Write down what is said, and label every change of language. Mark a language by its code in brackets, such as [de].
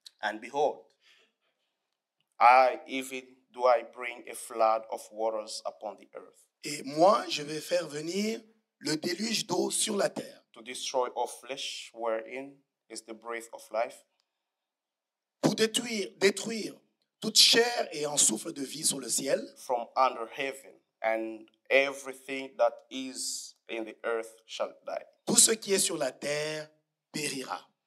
[en] And behold, I bring a flood of waters upon the earth. [fr] Et moi, je vais faire venir le déluge d'eau sur la terre. [en] To destroy all flesh wherein is the breath of life. [fr] Pour détruire toute chair et un souffle de vie sur le ciel. [en] From under heaven and everything that is in the earth shall die. [fr] Tout ce qui est sur la terre périra.